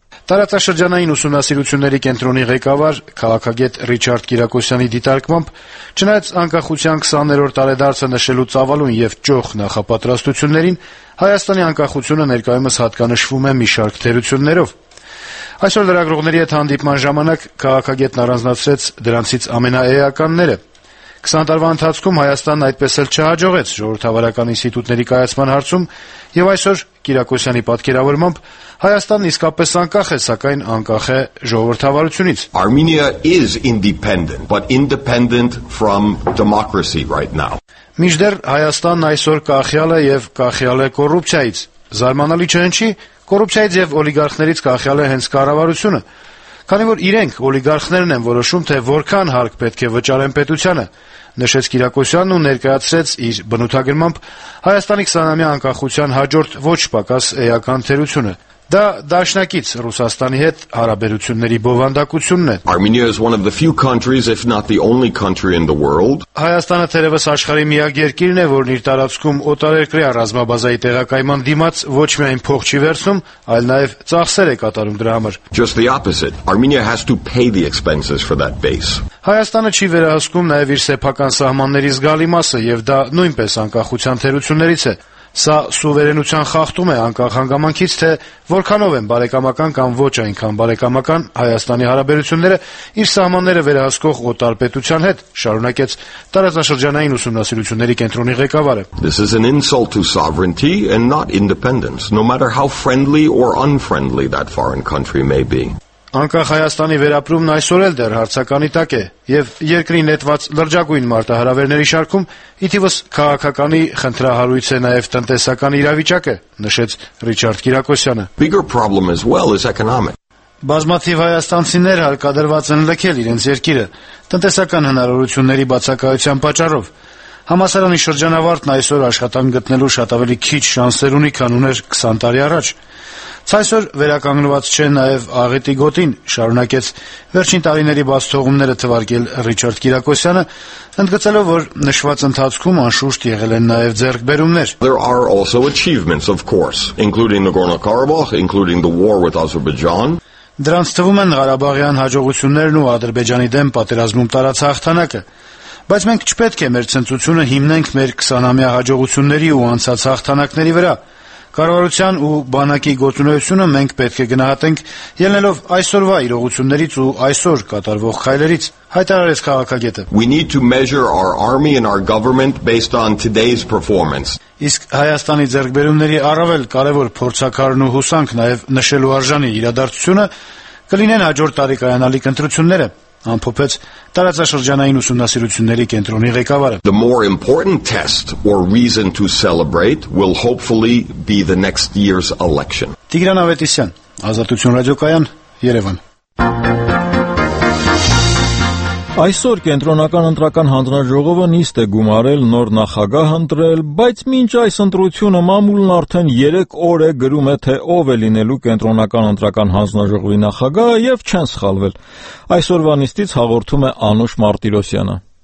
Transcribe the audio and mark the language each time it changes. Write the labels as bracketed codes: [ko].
[hy] Տարածաշրջանային ուսումնասիրությունների կենտրոնի ղեկավար քաղաքագետ Ռիչարդ Գիրակոսյանի դիտարկմամբ, չնայած անկախության 20-րդ տարեդարձը նշելու ծավալուն և ճոխ նախապատրաստություններին, Հայաստանի անկախությունը ներկայումս հատկանշվում է մի շարք թերություններով։ Այսօր լրագրողների հետ հանդիպման ժամանակ քաղաքագետն առանձնացրեց դրանցից ամենաէականները. 20 տարվա ընթացքում Հայաստանն այդպես էլ չհաջողեց ժողովրդավարական ինստիտուտների կայացման հարցում, եւ այսօր Կիրակոսյանի պատկերավորմամբ Հայաստանն իսկապես անկախ է, սակայն անկախ է ժողովրդավարությունից։ [en] Armenia is independent, but independent from democracy right now. [hy] Միջդեռ Հայաստանն այսօր կախյալ է եւ կախյալ է կոռուպցիայից։ Զարմանալի չէ ինչի, կոռուպցիայից եւ օլիգարխներից կախյալ է հենց կառավարությունը։ Քանի որ իրենք օլիգարխներն են որոշում, թե որքան հարկ պետք է վճարեն պետությանը, նշեց Կիրակոսյանն ու ներկայացրեց իր բնութագրմամբ Հայաստանի 20-ամյա անկախության հաջորդ ոչ պակաս էական թերությունը։ Դա դաշնակից Ռուսաստանի հետ հարաբերությունների բովանդակությունն է։ [en] Armenia is one of the few countries, if not the only country in the world. [hy] Հայաստանը թերևս աշխարհի միակ երկիրն է, որն իր տարածքում օտարերկրյա ռազմաբազայի տեղակայման դիմաց ոչ միայն փող չի վերցնում, այլ նաև ծախսեր է կատարում դրա համար։ [en] Just the opposite. Armenia has to pay the expenses for that base. [hy] Հայաստանը չի վերահսկում նաև իր սեփական սահմանների զգալի մասը, եւ դա նույնպես անկախության թերություններից է։ Սա սուվերենության խախտում է անկախ հանգամանքից, թե որքանով են բարեկամական կամ ոչ այնքան բարեկամական Հայաստանի հարաբերությունները իր սահմանները վերահսկող օտար պետության հետ, շարունակեց տարածաշրջանային ուսումնասիրությունների կենտրոնի ղեկավարը։ [en] This is an insult to sovereignty and not independence, no matter how friendly or unfriendly that foreign country may be. [hy] Անկախ Հայաստանի վերապրումն այսօր էլ դեռ հարցականի տակ է, եւ երկրի նետված լրջագույն մարտահրավերների շարքում ի թիվս քաղաքականի խնդրահարույց է նաեւ տնտեսական իրավիճակը, նշեց Ռիչարդ Կիրակոսյանը. [en] Bigger problem as well is economic. [hy] Բազմաթիվ հայաստանցիներ հարկադրված են լքել իրենց երկիրը տնտեսական հնարավորությունների բացակայության պատճառով. Համասարանի շրջանավարտն այսօր աշխատանք գտնելու շատ ավելի քիչ շանսեր ունի, քան ուներ 20 տարի առաջ. Ցայսօր վերականգնված չէ նաև աղետի գոտին, շարունակեց վերջին տարիների բաց թողումները թվարկել Ռիչարդ Կիրակոսյանը, ընդգծելով, որ նշված ընթացքում անշուշտ եղել են նաև ձեռքբերումներ. [en] There are also achievements, of course, including Nagorno-Karabakh, including the war with Azerbaijan. [hy] Դրանց թվում են Ղարաբաղյան հաջողություններն ու Ադրբեջանի դեմ պատերազմում տարածած հաղթանակը. Բայց մենք չպետք է մեր ցնծությունը հիմնենք մեր 20-ամյա հաջողությունների ու անցած հաղթանակների վրա։ Կառավարության ու բանակի գործունեությունը մենք պետք է գնահատենք ելնելով այսօրվա իրողություններից ու այսօր կատարվող քայլերից, հայտարարեց քաղաքագետը։ [en] We need to measure our army and our government based on today's performance. [hy] Իսկ Հայաստանի ձեռքբերումների առավել կարևոր փորձակարն ու հուսանք նաև նշելու արժանի իրադարձությունը կլինեն հաջորդ տարի կայանալի կենտրոնները։ Անփոփոխ տարածաշրջանային ուսումնասիրությունների կենտրոնի ղեկավարը. [en] The more important test or reason to celebrate will hopefully be the next year's election. [hy] Տիգրան Ավետիսյան, Ազատություն ռադիոկայան, Երևան. Այսօր կենտրոնական ընտրական հանձնաժողովը նիստ է գումարել նոր նախագահ ընտրել, բայց մինչ այս ընտրությունը մամուլն արդեն 3 օր է գրում է, թե ով է լինելու կենտրոնական ընտրական հանձնաժողովի նախագահ, եւ չեն սխալվել։ Այսօրվա նիստից հաղորդում է Անուշ Մարտիրոսյանը։